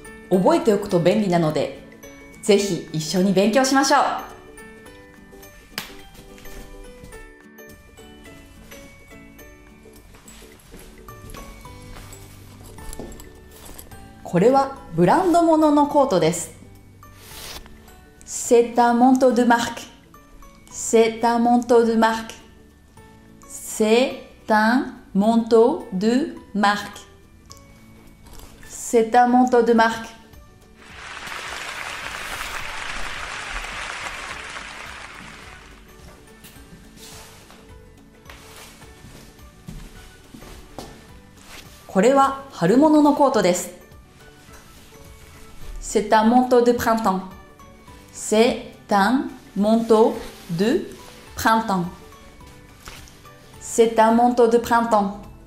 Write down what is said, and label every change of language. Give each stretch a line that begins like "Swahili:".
Japanese: 覚えておくと便利なので、ぜひ一緒に勉強しましょう。これはブランド物のコートです。
French: C'est un manteau de marque. C'est un manteau de marque. C'est un manteau de marque. C'est un manteau de marque.
Japanese: これは春物のコートです。
French: C'est un manteau de printemps. C'est un manteau de printemps. C'est un manteau de printemps.